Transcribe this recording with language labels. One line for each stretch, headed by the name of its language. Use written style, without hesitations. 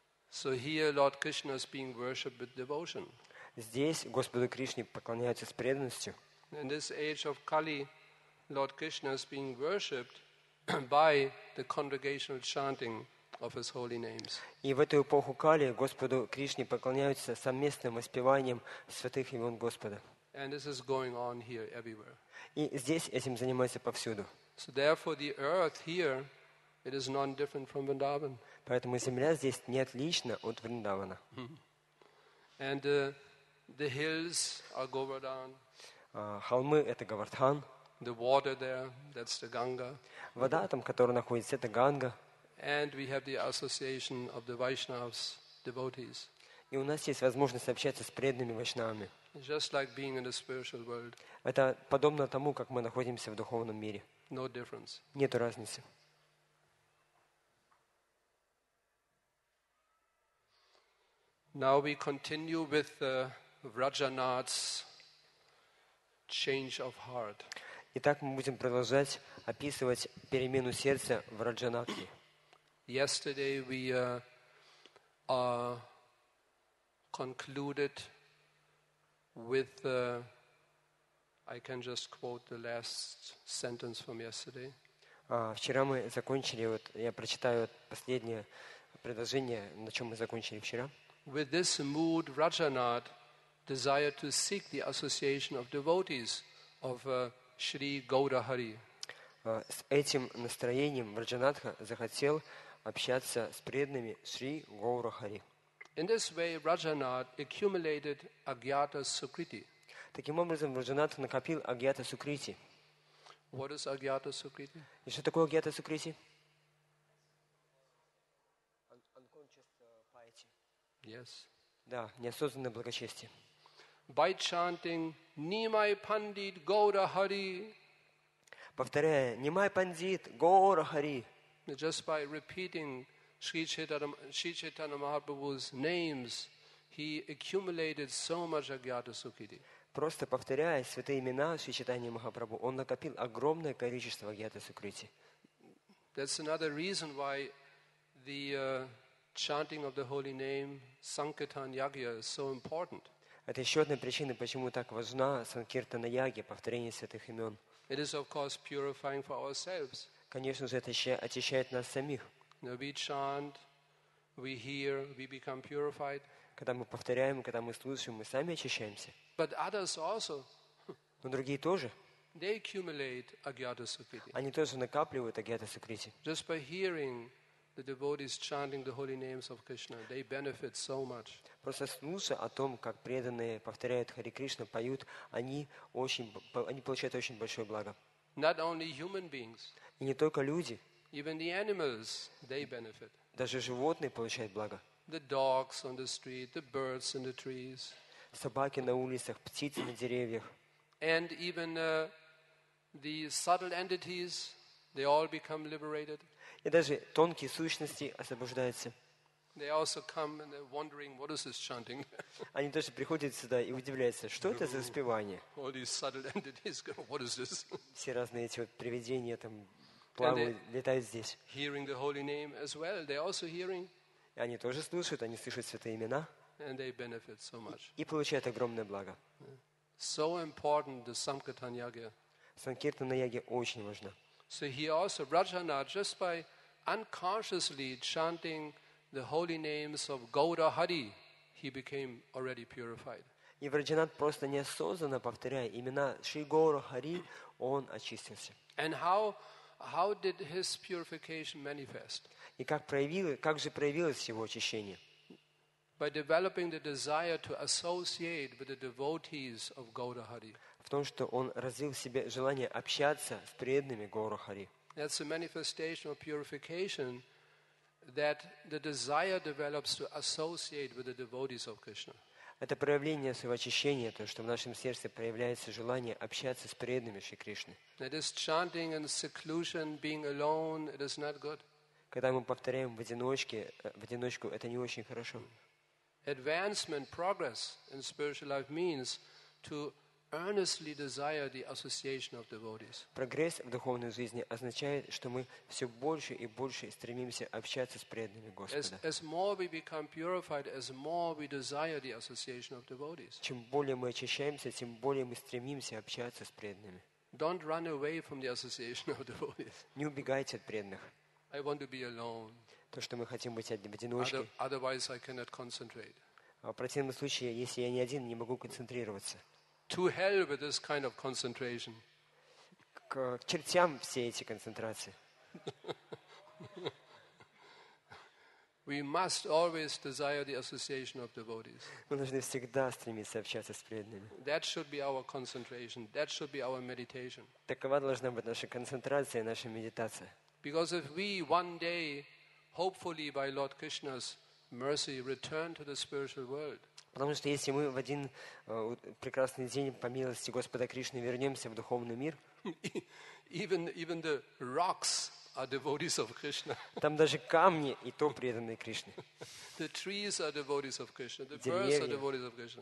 English: So here Lord Krishna is being worshipped with devotion.
Russian: Здесь Господу Кришне поклоняются с преданностью.
English: In this age of Kali, Lord Krishna is being worshipped by the congregational chanting of his holy names.
Russian: И в эту эпоху Кали Господу Кришне поклоняются совместным воспеванием святых имен Господа.
English: And this is going on here everywhere.
Russian: И здесь этим занимаются повсюду.
English: So therefore the earth here, it is not different from Vrindavan.
Russian: Поэтому земля здесь не отлична от Вриндавана.
English: And the hills are Govardhan.
Russian: Холмы – это Говардхан.
English: The water there, that's the Ganga.
Russian: Вода там, которая находится, это Ганга.
English: And we have the association of the Vaishnavas devotees.
Russian: И у нас есть возможность общаться с преданными вайшнавами.
English: Just like being in the spiritual world.
Russian: Это подобно тому, как мы находимся в духовном мире.
English: No difference.
Russian: Нету разницы.
English: Now we continue with Vrajanath's change of heart.
Russian: Итак, мы будем продолжать описывать перемену сердца в Раджанатхе.
English: Yesterday we concluded with I can just quote the last sentence from yesterday.
Russian: Вчера мы закончили, вот я прочитаю последнее предложение, на чем мы закончили вчера.
English: With this mood, Rajanath desired to seek the association of devotees of Shri Gaurahari.
Russian: С этим настроением Раджанатха захотел общаться с преданными Шри Гаурахари.
English: In this way, Rajanath accumulated Agyata Sukriti.
Russian: Таким образом, Раджанатха накопил Агьята Сукрити.
English: What is Агьята Сукрити?
Russian: И что такое Агьята Сукрити?
English: Yes.
Russian: Да, неосознанное благочестие.
English: By chanting Nimai Pandit Gaurahari.
Russian: Повторяя Nimai Pandit Gaurahari.
English: Just by repeating Shri Chaitanya Mahaprabhu's names, he accumulated so much Agyata Sukriti.
Russian: Просто повторяя святые имена Шри Чайтаньи Махапрабху, он накопил огромное количество Агьята Сукрити.
English: That's another reason why the chanting of the holy name Sankirtan Yagya is so important.
Russian: Это еще одна причина, почему так важна Санкиртана Ягья, повторение святых имен.
English: It is of course purifying for ourselves.
Russian: Конечно же, это очищает нас самих.
English: we chant, we hear, we become purified.
Russian: Когда мы повторяем, когда мы слушаем, мы сами очищаемся.
English: But others also.
Russian: Но другие тоже.
English: They accumulate agyata sukriti.
Russian: Они тоже накапливают агьята сукрити.
English: Just by hearing the devotees chanting the holy names of Krishna, they benefit so much.
Russian: Просто слушая о том, как преданные повторяют Харе Кришна, поют, они получают очень большое благо.
English: Not only human beings.
Russian: И не только люди.
English: Even the animals, they benefit.
Russian: Даже животные получают благо.
English: The dogs on the street, the birds in the trees.
Russian: Собаки на улицах, птицы на деревьях.
English: And even the subtle entities, they all become liberated.
Russian: И даже тонкие сущности освобождаются.
English: They also come and they're wondering, what is this chanting?
Russian: Они тоже приходят сюда и удивляются, что это за воспевание?
English: All these subtle entities go, what is this?
Russian: Все разные эти вот привидения там плавают, летают здесь.
English: Hearing the holy name as well, they also hearing.
Russian: И они тоже слушают, они слышат святые имена.
English: And they benefit so much.
Russian: И получают огромное благо.
English: So important the sankirtan yagya.
Russian: Санкиртана яги очень важна.
English: So he also Rajana just by unconsciously chanting the holy names of Gaura Hari, he became already purified.
Russian: И Раджанат просто неосознанно повторяя имена Шри Гаура Хари, он очистился.
English: And how did his purification manifest?
Russian: И как же проявилось его очищение?
English: By developing the desire to associate with the devotees of Gaura Hari.
Russian: В том, что он развил в себе желание общаться с преданными Гаура Хари.
English: That's a manifestation of purification that the desire develops to associate with the devotees of Krishna.
Russian: Это проявление своего очищения, то, что в нашем сердце проявляется желание общаться с преданными Шри Кришны.
English: That is chanting in seclusion, being alone, it is not good.
Russian: Когда мы повторяем в одиночку, это не очень хорошо.
English: Advancement, progress in spiritual life means to earnestly desire the association of devotees.
Russian: Прогресс в духовной жизни означает, что мы все больше и больше стремимся общаться с преданными Господа.
English: As more we become purified, as more we desire the association of devotees.
Russian: Чем более мы очищаемся, тем более мы стремимся общаться с преданными.
English: Don't run away from the association of devotees.
Russian: Не убегайте от преданных.
English: I want to be alone.
Russian: То, что мы хотим быть одни, в одиночке.
English: Otherwise, I cannot concentrate.
Russian: А в противном случае, если я не один, не могу концентрироваться.
English: To hell with this kind of concentration.
Russian: К чертям все эти концентрации.
English: We must always desire the association of devotees.
Russian: Мы должны всегда стремиться общаться с преданными.
English: That should be our concentration. That should be our meditation.
Russian: Такова должна быть наша концентрация, наша медитация.
English: Because if we one day, hopefully by Lord Krishna's mercy, return to the spiritual world.
Russian: Потому что если мы в один прекрасный день по милости Господа Кришны вернемся в духовный мир,
English: even the rocks are devotees of Krishna.
Russian: Там даже камни и то преданные Кришне.
English: The trees are devotees of Krishna. The birds are devotees of Krishna.